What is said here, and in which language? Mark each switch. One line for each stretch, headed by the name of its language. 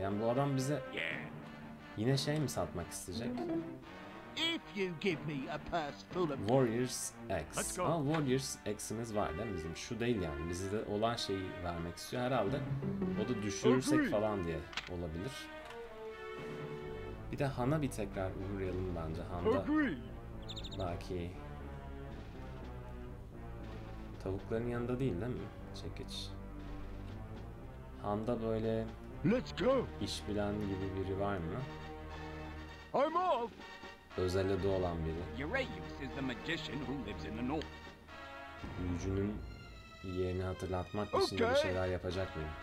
Turkish: Yani bu adam bize yine şey mi satmak isteyecek?
English: If you give me a purse full of
Turkish: Warriors X. Ama Warriors X'imiz var değil mi bizim? Şu değil yani. Bizde olan şeyi vermek istiyor herhalde. O da düşürürsek
English: Agreed.
Turkish: Falan diye olabilir. Bir de Han'a bir tekrar uğrayalım bence. Han'da.
English: Agreed.
Turkish: Belki tavukların yanında değil değil mi? Çekiç. Han'da böyle
English: Let's go.
Turkish: İş bilen gibi biri var mı?
English: I'm off.
Turkish: Özel adı olan biri.
English: Uranus is the magician who lives in the north.
Turkish: Büyücünün yerini hatırlatmak için okay. bir şeyler yapacak mı?